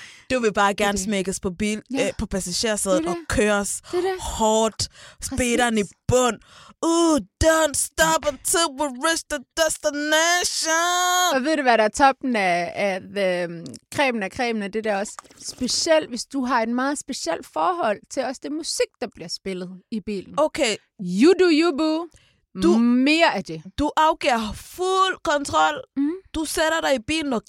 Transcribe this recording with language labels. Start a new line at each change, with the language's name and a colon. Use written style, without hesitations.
Danish: Du vil bare gerne smække os på bil, på passagersædet og køre os hårdt. Speederen i bund.
English: Don't stop until we reach the destination.
Danish: Og ved du, hvad der er toppen af cremen af det der også? Specielt, hvis du har et meget specielt forhold til også det musik, der bliver spillet i bilen. Okay.
English: You do you, boo.
Danish: Du, mere af det. Du afgiver fuld kontrol. Mm. Du sætter dig i bilen og